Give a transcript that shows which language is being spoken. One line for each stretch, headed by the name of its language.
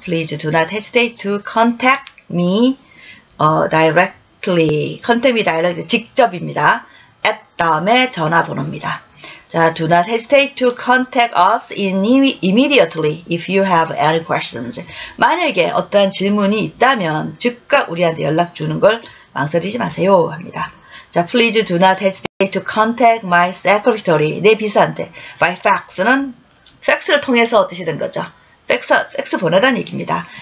English: Please do not hesitate to contact me directly. Contact me directly,
Korean: 직접입니다. At 다음에 전화번호입니다.
English: 자, do not hesitate to contact us immediately if you have any questions.
Korean: 만약에 어떠한 질문이 있다면 즉각 우리한테 연락 주는 걸 망설이지 마세요 합니다.
English: 자, please do not hesitate to contact my secretary,
Korean: 내 비서한테. By fax는 fax를 통해서 얻으시는 거죠. 팩스 보내라는 얘기입니다.